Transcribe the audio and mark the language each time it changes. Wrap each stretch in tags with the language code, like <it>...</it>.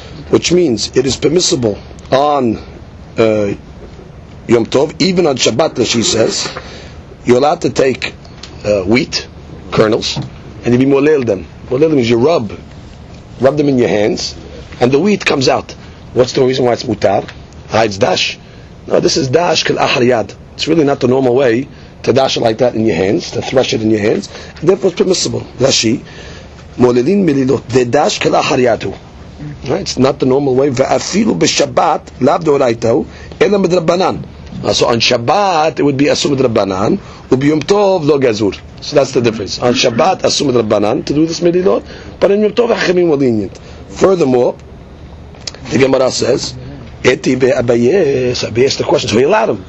<en>Which means it is permissible on Yom Tov, even on Shabbat, as she says, you're allowed to take wheat kernels and you be molil them. Molil means you rub them in your hands and the wheat comes out. What's the reason why it's mutar? It's dash. No, this is dash kal ahriyad. It's really not the normal way to dash it like that in your hands, to thresh it in your hands. And therefore, it's permissible. Rashi,</en> <he>מוללין מלילות דדש כלאחר ידו.</he> <en>It's not the normal way.</en> <he>ואפילו בשבת לאו דאורייתא אלא מדרבנן.</he> <en>So on Shabbat it would be assumed Rabbanan,</en> <he>וביום טוב לא גזור.</he> <en>So that's the difference. On Shabbat assumed Rabbanan to do this מלילות, but in יום טוב החכמים were lenient. Furthermore, the Gemara says, "Eti be abaye." So abaye is the question. So he allowed him.</en>